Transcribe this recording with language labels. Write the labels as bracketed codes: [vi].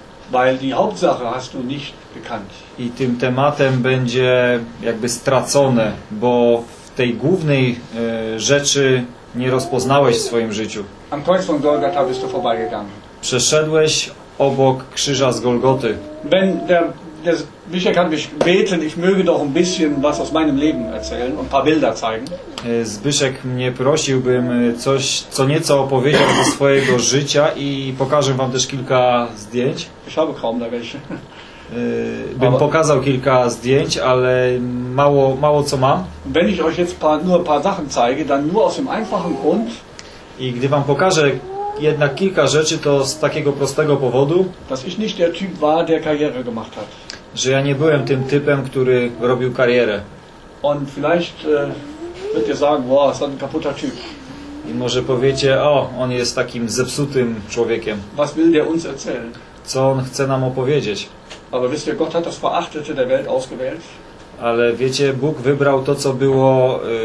[de] Weil die Hauptsache hast du nicht bekannt. [pl] I tym tematem będzie jakby stracone, bo w tej głównej rzeczy nie rozpoznałeś w swoim życiu. [de] Am Kreuz von Golgatha bist du vorbeigegangen. [pl] Przeszedłeś obok krzyża z Golgoty. [de] Wenn der Michael kann mich beten, ich möge doch ein bisschen was aus meinem Leben erzählen und ein paar Bilder zeigen. [pl] Zbyszek mnie prosiłbym coś, co nieco opowiedział ze swojego życia i pokażę wam też kilka zdjęć. [de] Ich habe kaum da welche. [pl] Bym pokazał kilka zdjęć, ale mało co mam. [de] Wenn ich euch jetzt nur ein paar Sachen zeige, dann nur aus dem einfachen Grund. [pl] I gdy wam pokażę jednak kilka rzeczy, to z takiego prostego powodu, [de] dass ich nicht der Typ war, der Karriere gemacht hat. [pl] Że ja nie byłem tym typem, który robił karierę. [de] Und vielleicht wird ihr sagen, wow, ist ein kaputter Typ. [pl] I może powiecie, o, on jest takim zepsutym człowiekiem. [de] Was will der uns erzählen? [pl] Co on chce nam opowiedzieć? [de] Aber wisst ihr, Gott hat das Verachtete der Welt ausgewählt. [pl] Ale wiecie, Bóg wybrał to, co było